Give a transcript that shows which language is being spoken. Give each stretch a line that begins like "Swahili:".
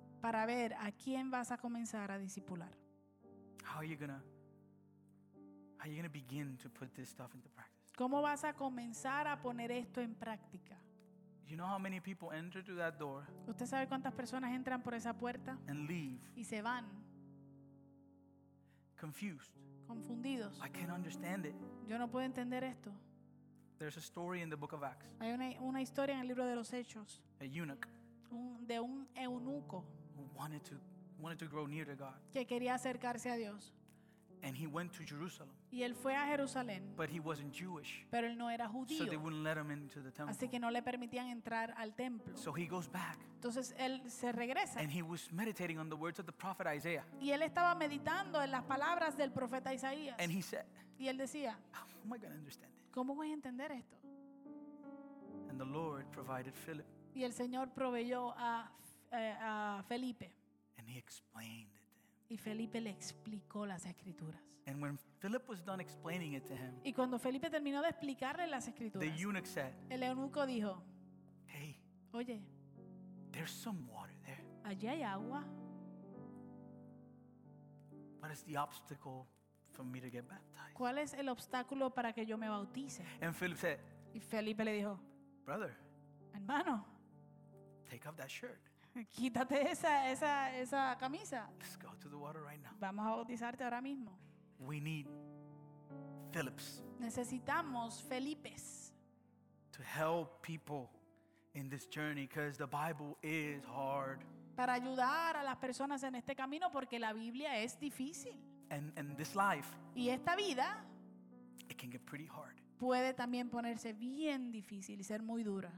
Spanish: Para ver a quién vas a comenzar a discipular.
English: How are you going to begin to put this stuff into practice?
Spanish: ¿Cómo vas a comenzar a poner esto en práctica?
English: You know how many people enter through that door?
Spanish: ¿Usted sabe cuántas personas entran por esa puerta?
English: And leave.
Spanish: Y se van.
English: Confused.
Spanish: Confundidos.
English: I can't understand it.
Spanish: Yo no puedo entender esto.
English: There's a story in the book of Acts.
Spanish: Hay una historia en el libro de los Hechos.
English: A eunuch.
Spanish: De un eunuco.
English: Who wanted to grow near to God.
Spanish: Que quería acercarse a Dios.
English: And he went to Jerusalem.
Spanish: Y él fue a Jerusalén.
English: But he wasn't Jewish.
Spanish: Pero él no era judío.
English: So they wouldn't let him into the temple.
Spanish: Así que no le permitían entrar al templo.
English: So he goes back.
Spanish: Entonces él se regresa.
English: And he was meditating on the words of the prophet Isaiah.
Spanish: Y él estaba meditando en las palabras del profeta Isaías.
English: And he said,
Spanish: y él decía,
English: how am I going to understand this?
Spanish: ¿Cómo voy a entender esto?
English: And the Lord provided Philip.
Spanish: Y el Señor proveyó a Felipe.
English: And he explained it.
Spanish: Y Felipe le explicó las escrituras.
English: And when Philip was done explaining it to him,
Spanish: y cuando Felipe terminó de explicarle las escrituras,
English: the eunuch said,
Spanish: el eunuco dijo,
English: hey,
Spanish: oye,
English: there's some water there.
Spanish: Allí hay agua.
English: What is the obstacle for me to get baptized?
Spanish: ¿Cuál es el obstáculo para que yo me bautice?
English: And Philip said,
Spanish: y Felipe le dijo,
English: brother,
Spanish: hermano,
English: take off that shirt.
Spanish: Quítate esa camisa.
English: Let's go to the water right now.
Spanish: Vamos a bautizarte ahora mismo.
English: We need Phillips.
Spanish: Necesitamos Felipes.
English: To help people in this journey, because the Bible is hard.
Spanish: Para ayudar a las personas en este camino, porque la Biblia es difícil.
English: And this life.
Spanish: Y esta vida.
English: It can get pretty hard.
Spanish: Puede también ponerse bien difícil y ser muy dura.